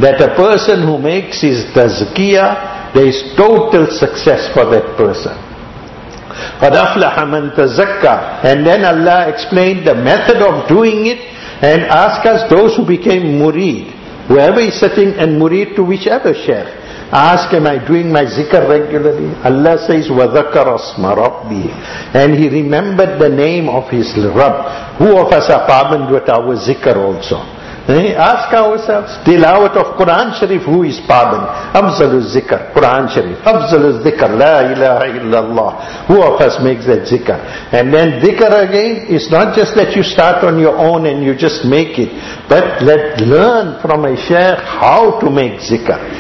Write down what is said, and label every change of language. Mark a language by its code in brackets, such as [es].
[en] that a person who makes his tazkiyah, there is total success for that person. [ar] قَدْ أَفْلَحَ مَنْ تَزَكَّى. [en] And then Allah explained the method of doing it and asked us, those who became murid, whoever is sitting and murid to whichever shaykh, ask, am I doing my zikr regularly? Allah says, [ar] وَذَكَرَ اسْمَ رَبِّهِ. [en] And he remembered the name of his Rabb. Who of us are pabund with our zikr also? Ask ourselves, tilawat of Quran Sharif, who is pardon? Afzalul zikr, Quran Sharif. Afzalul zikr, la ilaha illallah. Who of us makes that zikr? And then zikr again, is not just that you start on your own and you just make it, but let's learn from a shaykh how to make zikr.